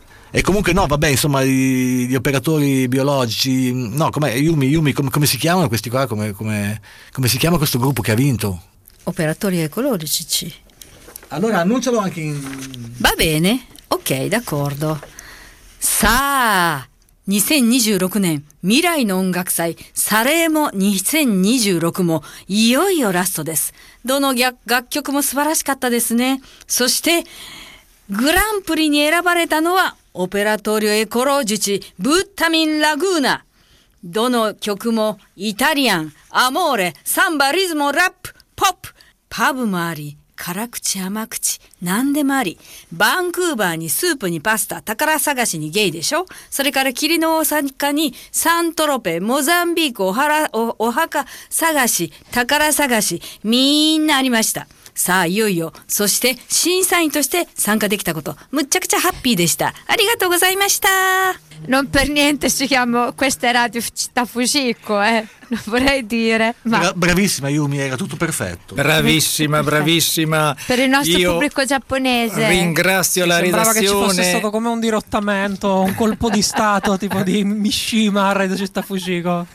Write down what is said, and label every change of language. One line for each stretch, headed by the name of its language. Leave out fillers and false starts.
Italian: E comunque no, vabbè, insomma, gli operatori biologici, no, com'è, Yumi, come si chiamano questi qua, come si chiama questo gruppo che ha vinto? Operatori ecologici. Allora annuncialo anche in... Va bene. Ok, d'accordo. Sa
Japanese: 2026年未来の音楽祭サレーモ2026もいよいよラストです。どの楽曲も素晴らしかったですね。そしてグランプリに選ばれたのはオペラトリオエコロージュチブッタミンラグーナ。どの曲もイタリアン、アモーレ、サンバ、リズモ、ラップ、ポップ、パブもあり、辛口甘口何でもあり、バンクーバーにスープにパスタ、宝探しにゲイでしょ、それから霧の大阪にサントロペ、モザンビーク、お墓探し、宝探し、みんなありました。さあいよいよ、そして審査員として参加できたこと、むっちゃくちゃハッピーでした。ありがとうございました。
Italian: Non per niente si chiamo questa radio Città Fucico, non vorrei dire. Ma... Bravissima Yumi, era tutto perfetto. Bravissima, bravissima. Per il nostro Io pubblico giapponese. Ringrazio la redazione. Sembrava che ci fosse stato come un dirottamento, un colpo di stato tipo di Mishima a Radio Città Fucico.